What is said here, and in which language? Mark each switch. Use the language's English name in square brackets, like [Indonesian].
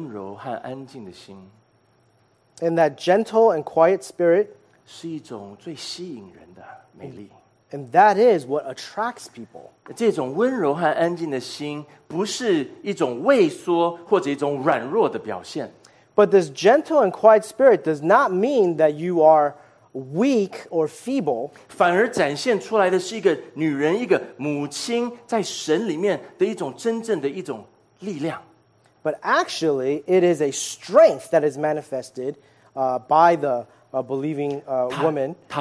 [Chinese] 这样子的一种温柔和安静的心, [English] and that gentle and quiet spirit, [Chinese] 是一种最吸引人的美丽。 [English] And that is what attracts people. [Chinese] 这种温柔和安静的心不是一种畏缩或者一种软弱的表现。 [English] But this gentle and quiet spirit does not mean that you are weak or feeble. [Chinese] 反而展现出来的是一个女人，一个母亲在神里面的一种真正的一种力量。 [English] But actually, it is a strength that is manifested by the believing woman.